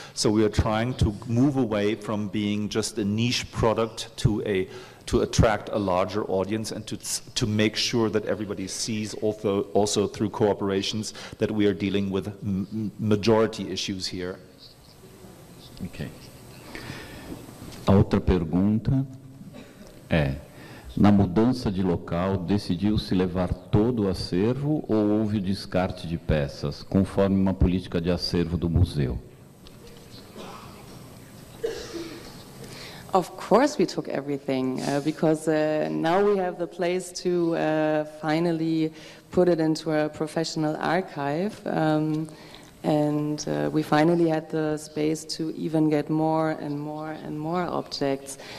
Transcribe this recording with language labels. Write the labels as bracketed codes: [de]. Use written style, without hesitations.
[en] So we are trying to move away from being just a niche product to attract a larger audience and to make sure that everybody sees, also through corporations, that we are dealing with majority issues here. Okay. [pt] A outra pergunta é, na mudança de local, decidiu-se levar todo o acervo ou houve descarte de peças, conforme uma política de acervo do museu? [en] Of course we took everything, because now we have the place to finally put it into a professional archive. And we finally had the space to even get more and more and more objects.